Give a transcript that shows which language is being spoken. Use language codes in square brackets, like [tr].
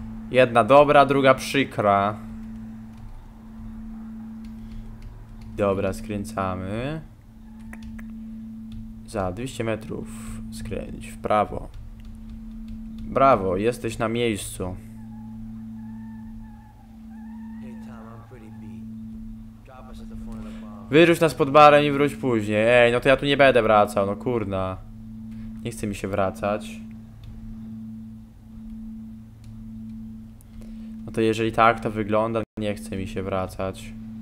[pl] Jedna dobra, druga przykra. Dobra, skręcamy. Za 200 metrów skręć w prawo. Brawo, jesteś na miejscu. [en] Hey Tom, I'm pretty beat. Drop us at the [pl] wyrzuć nas pod barem i wróć później. Ej, no to ja tu nie będę wracał, no kurna. Nie chce mi się wracać. No to jeżeli tak to wygląda, nie chce mi się wracać.